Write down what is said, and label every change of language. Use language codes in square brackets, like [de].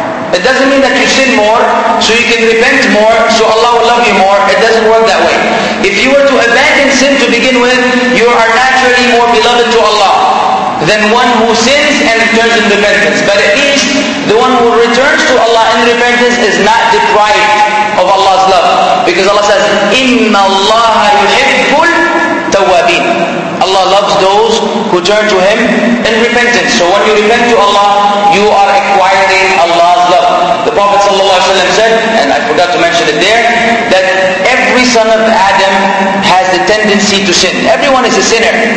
[en] It doesn't mean that you sin more, so you can repent more, so Allah will love you more. It doesn't work that way. If you were to abandon sin to begin with, you are naturally more beloved to Allah than one who sins and returns in repentance. But at least, the one who returns to Allah in repentance is not deprived of Allah's love. Because Allah says, [ar] إِنَّ اللَّهَ يُحِبُّ الْتَوَّابِينَ. [en] Allah loves those who turn to Him in repentance. So when you repent to Allah, you are acquiring Allah's love. The Prophet ﷺ said, and I forgot to mention it there, that every son of Adam has the tendency to sin. Everyone is a sinner.